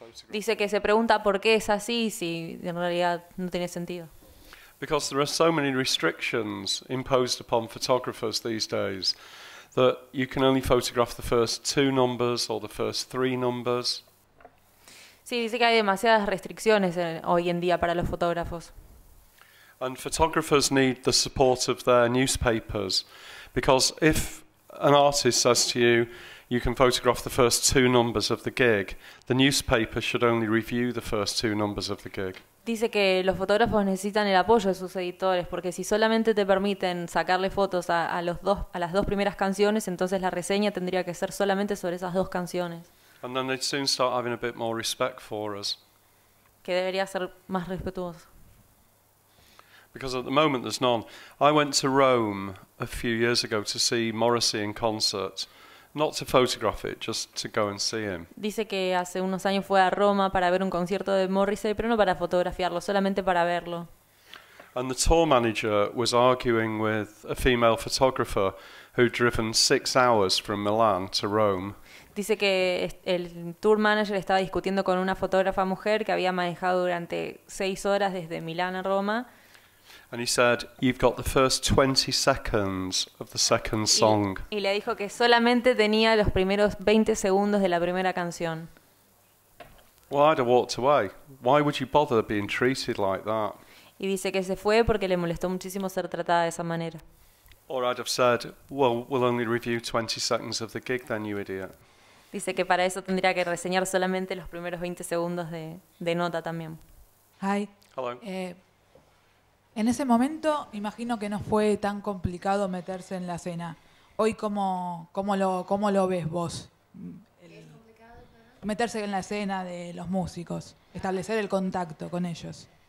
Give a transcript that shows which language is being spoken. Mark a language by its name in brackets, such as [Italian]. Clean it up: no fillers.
[Spanish] Dice que se pregunta por qué es así si en realidad no tiene sentido. [English] Because there are so many restrictions imposed upon photographers these days that you can only photograph the first two numbers or the first three numbers. [Spanish] Sí, dice que hay demasiadas restricciones hoy en día para los fotógrafos. [English] And photographers need the support of their newspapers, because if an artist says to you, you can photograph the first two numbers of the gig, the newspaper should only review the first two numbers of the gig. [Spanish] Dice que los fotógrafos necesitan el apoyo de sus editores, porque si solamente te permiten sacarle fotos a las dos primeras canciones, entonces la reseña tendría que ser solamente sobre esas dos canciones. [English] And then they'd soon start having a bit more respect for us. [Spanish] Que debería ser más respetuoso. [English] Because at the moment there's none. I went to Rome a few years ago to see Morrissey in concert. Not to photograph it, just to go and see him. [Spanish] Dice que hace unos años fue a Roma para ver un concierto de Morrissey, pero no para fotografiarlo, solamente para verlo. [English] And the tour manager was arguing with a female photographer who'd driven 6 hours from Milan to Rome. [Spanish] Dice que el tour manager estaba discutiendo con una fotógrafa mujer que había manejado durante 6 horas desde Milán a Roma. [English] And he said, you've got the first 20 seconds of the second song. [Spanish] Y le dijo que solamente tenía los primeros 20 segundos de la primera canción. [English] Well, I'd have walked away. Why would you bother being treated like that? [Spanish] Y dice que se fue porque le molestó muchísimo ser tratada de esa manera. [English] Or I'd have said, well, we'll only review 20 seconds of the gig then, you idiot. [Spanish] Dice que para eso tendría que reseñar solamente los primeros 20 segundos de nota también. [English] Hi. Hello. [Spanish] En ese momento, imagino que no fue tan complicado meterse en la escena. Hoy, ¿cómo lo ves vos? Meterse en la escena de los músicos, establecer el contacto con ellos.